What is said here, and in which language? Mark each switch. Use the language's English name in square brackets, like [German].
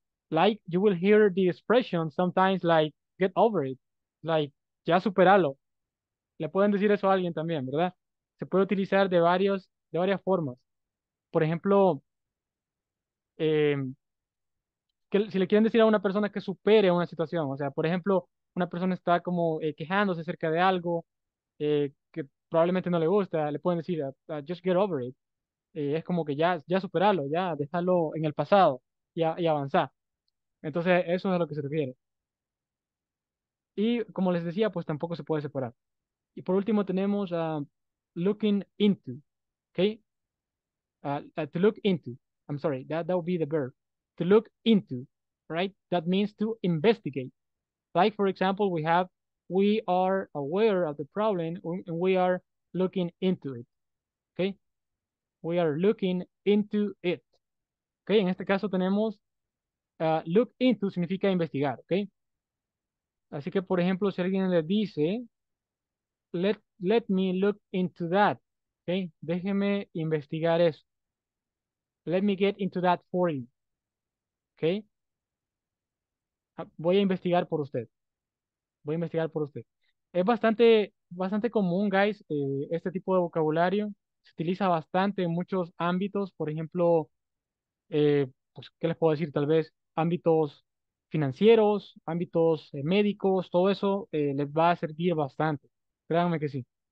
[English] Like you will hear the expression sometimes like get over it, like [Spanish] ya superalo. Le pueden decir eso a alguien también, ¿verdad? Se puede utilizar de varias formas. Por ejemplo, que si le quieren decir a una persona que supere una situación, o sea, por ejemplo, una persona está como quejándose acerca de algo que probablemente no le gusta, le pueden decir, [English] just get over it. [Spanish] Es como que ya superalo, ya déjalo en el pasado y avanzar. Entonces, eso es a lo que se refiere. Y como les decía, pues tampoco se puede separar. Y por último tenemos looking into, okay? [English] To look into, I'm sorry, that would be the verb. To look into, right? That means to investigate. Like, for example, we are aware of the problem and we are looking into it, okay? We are looking into it. Okay, [Spanish] en este caso tenemos [English] look into [Spanish] significa investigar, [English] okay? [Spanish] Así que, por ejemplo, si alguien le dice, [English] let me look into that, [Spanish] okay? Déjeme investigar eso. [English] Let me get into that for you, okay? [Spanish] Voy a investigar por usted. Voy a investigar por usted. Es bastante, bastante común, guys, este tipo de vocabulario. Se utiliza bastante en muchos ámbitos. Por ejemplo, pues, ¿qué les puedo decir? Tal vez ámbitos financieros, ámbitos médicos, todo eso les va a servir bastante. Créanme que sí.